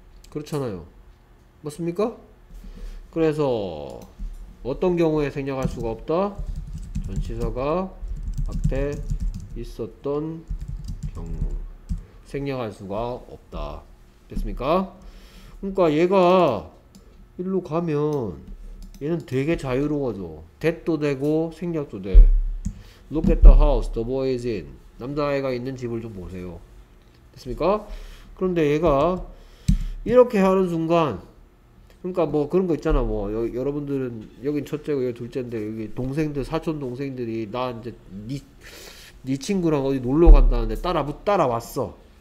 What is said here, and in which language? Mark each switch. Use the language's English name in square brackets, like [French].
[Korean] 그렇잖아요. 맞습니까? 그래서 어떤 경우에 생략할 수가 없다? 전치사가 앞에 있었던 경우. 생략할 수가 없다. 됐습니까? 그러니까 얘가 일로 가면 얘는 되게 자유로워져. 댓도 되고 생략도 돼. [English] Look at the house, the boy is in. [Korean] 남자아이가 있는 집을 좀 보세요. 됐습니까? 그런데 얘가 이렇게 하는 순간, 그러니까 뭐 그런 거 있잖아. 뭐 여러분들은 여긴 첫째고 여기 둘째인데 여기 동생들, 사촌 동생들이 나 이제 네 친구랑 어디 놀러 간다는데 따라왔어.